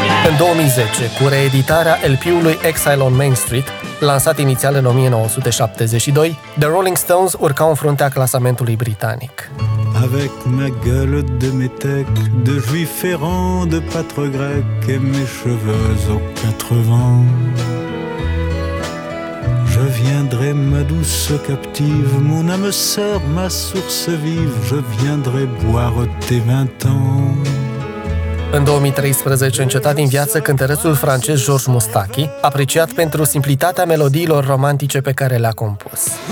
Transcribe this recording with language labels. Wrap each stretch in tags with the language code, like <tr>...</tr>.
<ro>În 2010, cu reeditarea LP-ului Exile on Main Street, lansat inițial în 1972, The Rolling Stones urcau în fruntea clasamentului britanic.</ro> <fr>Avec ma gueule de métèque, de juif errant, de pâtre grec, et mes cheveux aux quatre vents, je viendrai ma douce captive, mon âme sœur, ma source vive, je viendrai boire tes vingt ans.</fr> <ro>În 2013, înceta din viață cântărețul francez Georges Moustaki, apreciat pentru simplitatea melodiilor romantice pe care le-a compus.</ro>